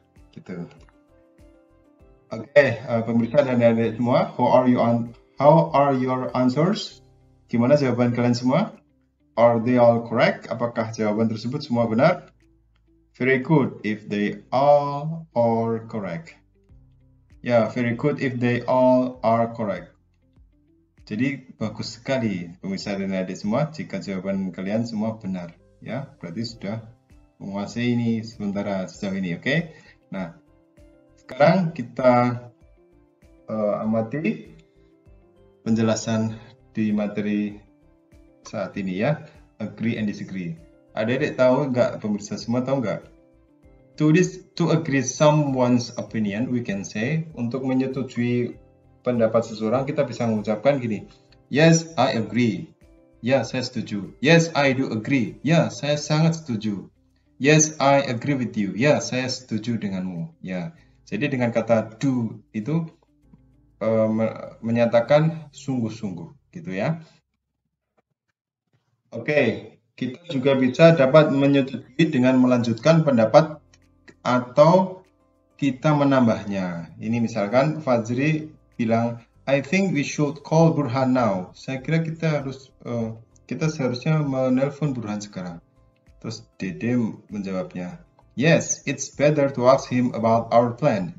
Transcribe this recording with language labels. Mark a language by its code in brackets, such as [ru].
[id] Gitu. Oke, pemirsa dan adik-adik semua, [en] how are your answers? [id] Gimana jawaban kalian semua? [en] Are they all correct? [id] Apakah jawaban tersebut semua benar? [en] Very good if they all are correct. Ya, yeah, very good if they all are correct. [id] Jadi, bagus sekali pemirsa dan adik semua jika jawaban kalian semua benar. Ya, berarti sudah menguasai ini sementara sejauh ini, oke? Okay? Nah, sekarang kita amati penjelasan di materi saat ini ya, [en] agree and disagree. [id] Adik-adik tahu enggak, pemirsa semua tahu enggak? [en] To agree someone's opinion, we can say, [id] untuk menyetujui pendapat seseorang, kita bisa mengucapkan gini, [en] yes, I agree. [id] Ya, saya setuju. [en] Yes, I do agree. [id] Ya, saya sangat setuju. [en] Yes, I agree with you. [id] Ya, saya setuju denganmu. Ya, jadi dengan kata do itu menyatakan sungguh-sungguh. Gitu ya. Oke, kita juga bisa dapat menyetujui dengan melanjutkan pendapat atau kita menambahnya. Ini misalkan Fajri bilang, [en] I think we should call Burhan now. [id] Saya kira kita harus kita seharusnya menelpon Burhan sekarang. Terus Dede menjawabnya, [en] yes, it's better to ask him about our plan.